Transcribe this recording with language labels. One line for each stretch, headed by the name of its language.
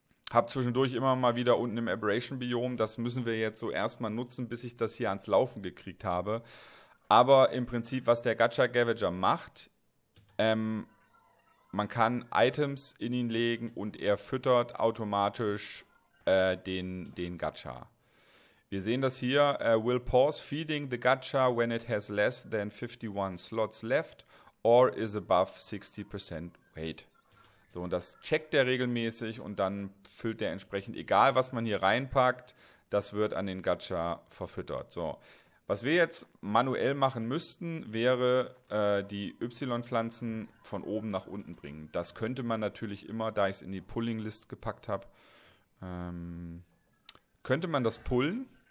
German: Hab zwischendurch immer mal wieder unten im Aberration-Biom, das müssen wir jetzt so erstmal nutzen, bis ich das hier ans Laufen gekriegt habe. Aber im Prinzip, was der Gacha Gavager macht, man kann Items in ihn legen und er füttert automatisch den Gacha. Wir sehen das hier.
English: Will pause feeding the Gacha when it has less than 51 slots left or is above 60% weight.
German: So, und das checkt er regelmäßig und dann füllt er entsprechend, egal was man hier reinpackt, das wird an den Gacha verfüttert. So. Was wir jetzt manuell machen müssten, wäre die Y-Pflanzen von oben nach unten bringen. Das könnte man natürlich immer, da ich es in die Pulling-List gepackt habe, könnte man das pullen.